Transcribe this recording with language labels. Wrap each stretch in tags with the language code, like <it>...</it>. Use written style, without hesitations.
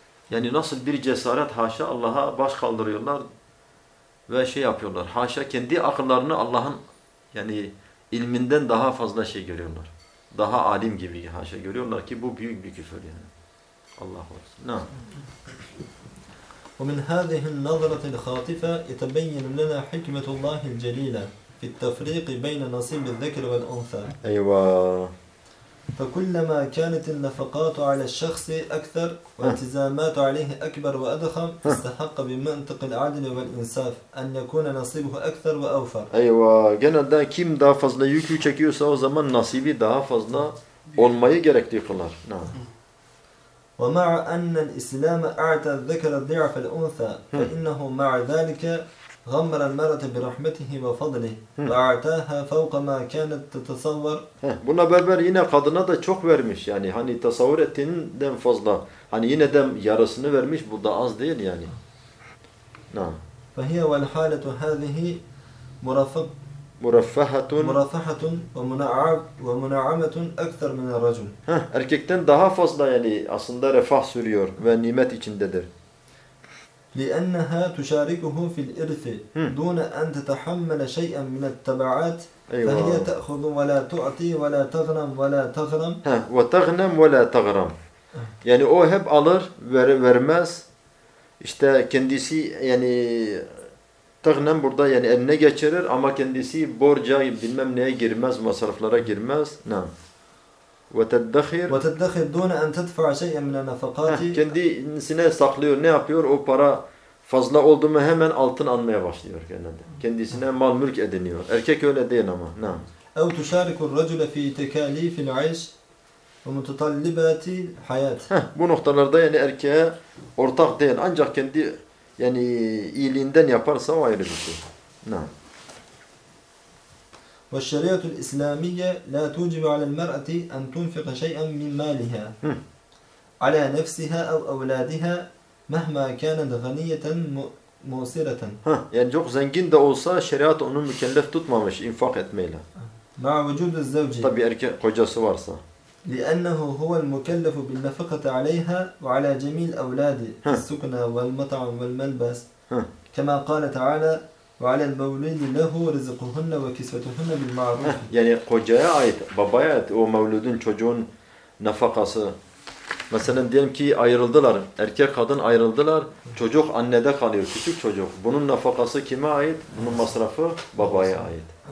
<tr>Yani nasıl bir cesaret haşa Allah'a baş kaldırıyorlar, ve şey yapıyorlar. Haşa kendi akıllarını Allah'ın yani ilminden daha fazla şey görüyorlar. Daha alim gibi haşa görüyorlar ki bu büyük bir küfür yani. Allah korusun. Ne?</tr> <ar>ومن هذه النظرة الخاطفة يتبين لنا حكمة الله الجليلة في التفريق بين نصيب الذكر والأنثى. أيوة. فكلما كانت النفقات على الشخص أكثر والتزامات عليه أكبر وأضخم استحق بمنطق العدل والإنصاف أن يكون نصيبه أكثر وأوفر. أيوة.</ar> <tr>Genelde kim daha fazla yük çekiyorsa o zaman nasibi daha fazla olmayı gerektiği kılar.</tr> <ar>ومع أن الإسلام أعطى الذكر ضعف الأنثى فإنه مع ذلك غمر المرأة برحمته وفضله وأعطاها فوق ما كانت تتصور.</ar> <tr>Buna beraber yine kadına da çok vermiş yani hani tasavvur ettiğinden fazla hani yine de yarısını vermiş, bu da az değil yani.</tr> <ar>Nعم. فهي والحالة هذه مرفهة ومنعمة أكثر من الرجل.</ar> <tr>Erkekten daha fazla yani aslında refah sürüyor ve nimet içindedir.</tr> <ar>لأنها تشاركه في الإرث دون أن تتحمل شيئا من التبعات فهي تأخذ ولا تعطي ولا تغنم ولا تغرم وتغنم ولا تغرم يعني</ar> <tr>o hep alır vermez işte kendisi yani tağnam burada yani eline geçirir ama kendisi borca bilmem neye girmez, masraflara girmez. Ne?</tr> <ar>وتدخر دون أن تدفع شيئا من النفقات.</ar> <tr>Kendi nesine saklıyor, ne yapıyor? O para fazla oldu mu hemen altın almaya başlıyor genelde. Kendisine mal mülk ediniyor. Erkek öyle değil ama. Nعم.</tr> <ar>أو تشارك الرجل في تكاليف العيش ومتطلبات الحياة.</ar> <tr>Bu noktalarda yani erkeğe ortak değil, ancak kendi yani iyiliğinden yaparsa o ayrı bir şey. Nعم.</tr> <ar>والشريعة الإسلامية لا توجب على المرأة أن تنفق شيئا من مالها على نفسها أو أولادها مهما كانت غنية موسرة.</ar> <tr>يعني çok zengin de olsa şeriat onu mükellef tutmamış infak etmeyle.</tr> <ar>مع وجود الزوج.</ar> <tr>طبي erkek kocası varsa.</tr> <ar>لأنه هو المكلف بالنفقة عليها وعلى جميع أولاده السكنة والمطعم والملبس كما قال تعالى وعلى المولود له رزقهن وكسوتهن بالمعروف.</ar> <tr>يعني kocaya ait, babaya ait o mevludun çocuğun nafakası. Mesela diyelim ki ayrıldılar, erkek kadın ayrıldılar, çocuk annede kalıyor, küçük çocuk. Bunun nafakası kime ait? Bunun masrafı babaya ait.</tr>